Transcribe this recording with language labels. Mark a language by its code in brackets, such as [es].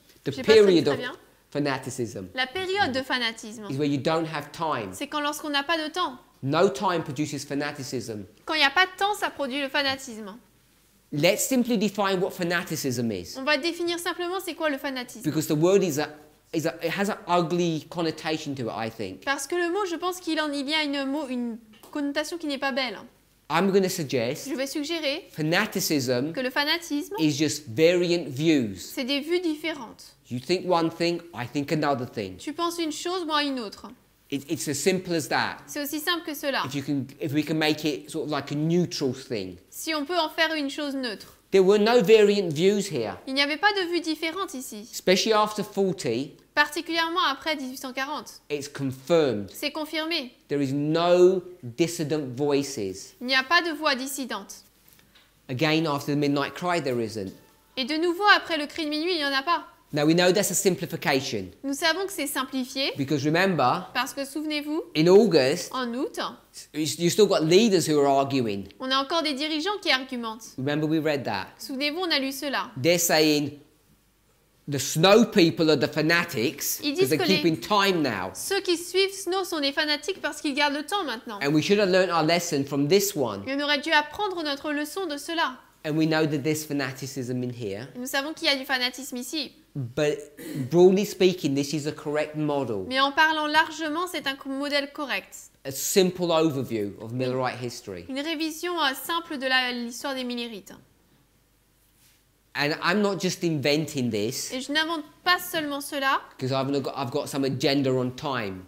[en] The J'ai period of fanaticism. [fr] La période de fanatisme. [en] Is where you don't have time. [fr] C'est quand lorsqu'on n'a pas de temps. [en] No time produces fanaticism. [fr] Quand il n'y a pas de temps, ça produit le fanatisme. [en] Let's simply define what fanaticism is. [fr] On va définir simplement c'est quoi le fanatisme. [en] Because the word it has an ugly connotation to it, I think. [fr] Parce que le mot, je pense qu'il en il y a une connotation qui n'est pas belle. [en] I'm going to suggest. [fr] Je vais suggérer. [en] Fanaticism. [fr] Que le fanatisme. [en] Is just variant views. [fr] C'est des vues différentes. [en] You think one thing, I think another thing. [fr] Tu penses une chose, moi une autre. [en] It's as simple as that. [fr] C'est aussi simple que cela. [en] If we can make it sort of like a neutral thing. [fr] Si on peut en faire une chose neutre. [en] There were no variant views here. [fr] Il n'y avait pas de vues différentes ici. [en] Especially after 40. [fr] Particulièrement après 1840. [en] It's confirmed. [fr] C'est confirmé. [en] There is no dissident voices. [fr] Il n'y a pas de voix dissidente. [en] Again after the midnight cry there isn't. [fr] Et de nouveau après le cri de minuit, il n'y en a pas. [en] Now we know that's a simplification. [fr] Nous savons que c'est simplifié. [en] Because remember. [fr] Parce que souvenez-vous. [en] In August. [fr] En août. [en] You still got leaders who are arguing. [fr] On a encore des dirigeants qui argumentent. [en] Remember we read that. [fr] Souvenez-vous, on a lu cela. [en] They're saying the snow people are the fanatics because they're keeping time now. [fr] Ceux qui suivent Snow sont des fanatiques parce qu'ils gardent le temps maintenant. [en] And we should have learned our lesson from this one. [fr] Et on aurait dû apprendre notre leçon de cela. [en] And we know that there's fanaticism in here. [fr] Et nous savons qu'il y a du fanatisme ici. [en] But broadly speaking, this is a correct model. [fr] Mais en parlant largement, c'est un modèle correct. [en] A simple overview of Millerite history. [fr] Une révision simple de l'histoire des Millerites. [en] And I'm not just inventing this. [fr] Et je n'invente pas seulement cela. [en] Because I've got some agenda on time.